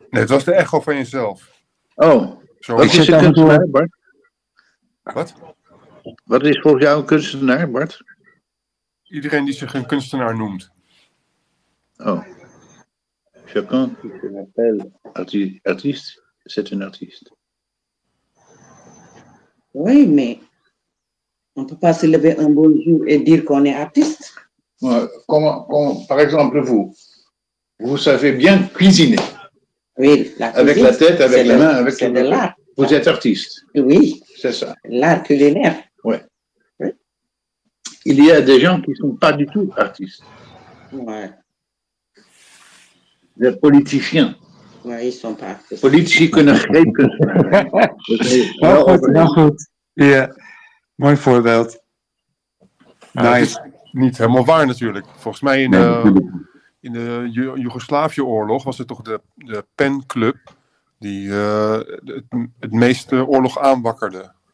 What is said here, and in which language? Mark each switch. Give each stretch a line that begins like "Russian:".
Dutch: Nee, het was de echo van jezelf. Oh, zo. Wat is een kunstenaar, Bart? Wat? Wat is volgens jou een kunstenaar, Bart? Iedereen die zich een kunstenaar noemt. Oh.
French: Chacun qui s'appelle artiste. C'est un artiste. Oui, mais on ne peut pas se lever un beau jour et dire qu'on est artiste. Par exemple, vous savez bien cuisiner. Oui, la cuisine. Avec la tête, avec la main, avec c'est de l'art. Vous êtes artiste. Oui. C'est ça. L'art culinaire. Ouais. Oui. Il y a des gens qui ne sont pas du tout artistes. Oui. Des politiciens. Ouais,
Dutch: politici kunnen geen kunstenaar zijn. Dus nou goed, nou goed. Ja, mooi voorbeeld.
English: Nice.
Dutch: Is niet helemaal waar natuurlijk. Volgens mij in de Joegoslavië-oorlog was het toch de penclub die het meeste oorlog aanwakkerde.